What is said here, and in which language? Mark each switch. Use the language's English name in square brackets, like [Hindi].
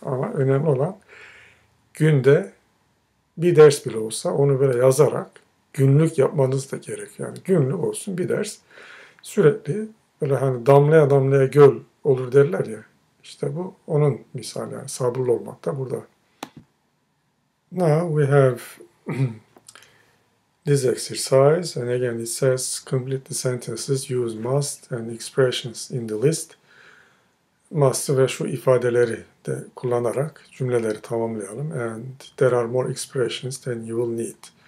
[Turkish] Ama önemli olan günde bir ders bile olsa onu böyle yazarak günlük yapmanız da gerekiyor. Yani günlük olsun bir ders. Sürekli böyle hani damlaya damlaya göl olur derler ya. İşte bu onun misali yani sabırlı olmak da burada. [English] Now we have This exercise, and again it says complete the sentences, use must and expressions in the list. [Turkish] Must'ı ve şu ifadeleri de kullanarak cümleleri tamamlayalım. [English] And there are more expressions than you will need.